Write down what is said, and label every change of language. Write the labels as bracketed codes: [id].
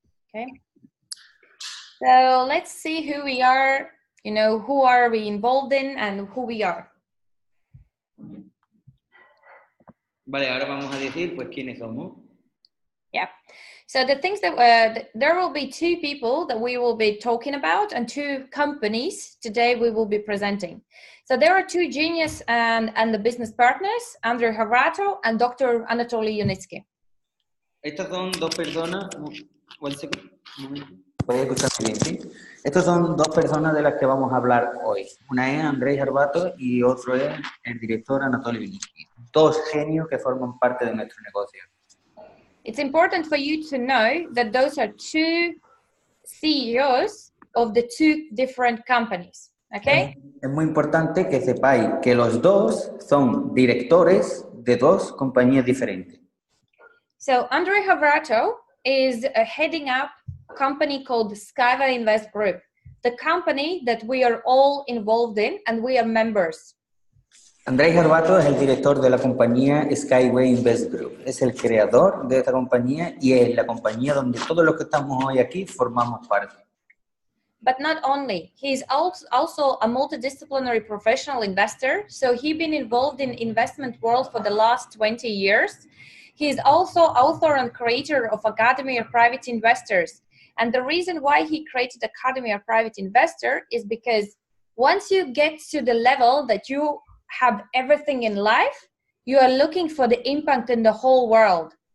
[en] Okay. So let's see who we are, you know, who are we involved in and who we are. [es] Vale, ahora vamos a decir, pues, ¿quiénes somos? [en] Yeah. So the things that there will be two people that we will be talking about and two companies today we will be presenting. So there are two genius and the business partners, Andrew Harato and Dr. Anatoly Yunitsky. [es] Estas son dos personas. [en] One second. [es] ¿Puedes escuchar bien, sí? Estas son dos personas de las que vamos a hablar hoy. Una es Andrés Harbato y otro es el director Anatoly Vinicius. Dos genios que forman parte de nuestro negocio. [en] It's important for you to know that those are two CEOs of the two different companies, okay? [es] Es muy importante que sepáis que los dos son directores de dos compañías diferentes. [en] So, Andrés Harbato is heading up company called SkyWay Invest Group, the company that we are all involved in and we are members. [es] Andrés Harbato es el director de la compañía SkyWay Invest Group, es el creador de esta compañía y es la compañía donde todos los que estamos hoy aquí formamos parte. [en] But not only, he's also a multidisciplinary professional investor, so he's been involved in investment world for the last 20 years. He's also author and creator of Academy of Private Investors. And the reason why he created Academy of Private Investor is because once you get to the level that you have everything in life, you are looking for the impact in the whole world.